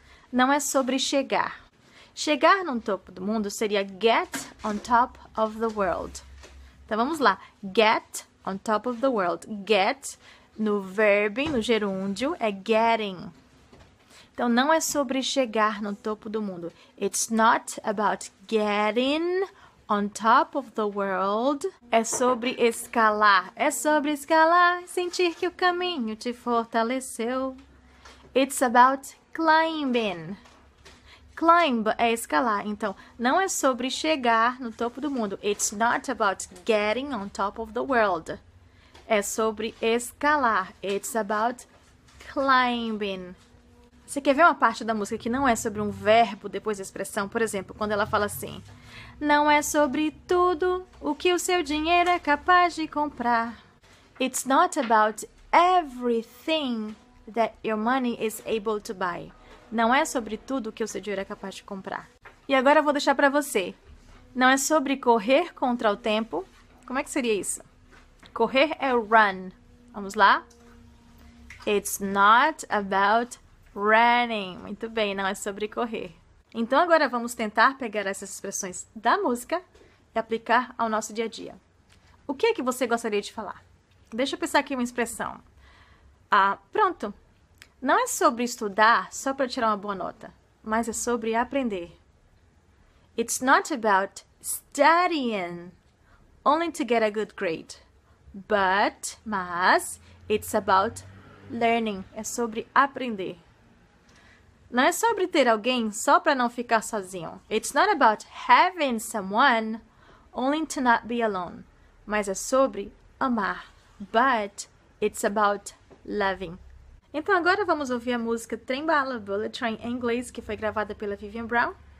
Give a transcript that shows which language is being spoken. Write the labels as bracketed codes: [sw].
[pt] Não é sobre chegar. Chegar no topo do mundo seria [en] get on top of the world. [pt] Então vamos lá. [en] Get on top of the world. Get [pt] no verbo, no gerúndio, é [en] getting. [pt] Então não é sobre chegar no topo do mundo. [en] It's not about getting on top of the world. [pt] É sobre escalar. É sobre escalar, sentir que o caminho te fortaleceu. [en] It's about climbing. Climb [pt] é escalar. Então, não é sobre chegar no topo do mundo. [en] It's not about getting on top of the world. [pt] É sobre escalar. [en] It's about climbing. [pt] Você quer ver uma parte da música que não é sobre um verbo depois da expressão? Por exemplo, quando ela fala assim: Não é sobre tudo o que o seu dinheiro é capaz de comprar. [en] It's not about everything that your money is able to buy. [pt] Não é sobre tudo que o seu dinheiro é capaz de comprar. E agora eu vou deixar para você. Não é sobre correr contra o tempo. Como é que seria isso? Correr é [en] run. [pt] Vamos lá? [en] It's not about running. [pt] Muito bem, não é sobre correr. Então agora vamos tentar pegar essas expressões da música e aplicar ao nosso dia a dia. O que é que você gostaria de falar? Deixa eu pensar aqui uma expressão. Ah, pronto. Não é sobre estudar só para tirar uma boa nota, mas é sobre aprender. [en] It's not about studying only to get a good grade, [pt] mas [en] it's about learning, [pt] é sobre aprender. Não é sobre ter alguém só para não ficar sozinho. [en] It's not about having someone only to not be alone, [pt] mas é sobre amar. [en] But it's about loving. [pt] Então agora vamos ouvir a música Trem Bala, Bullet Train, em inglês, que foi gravada pela Vivian Brown.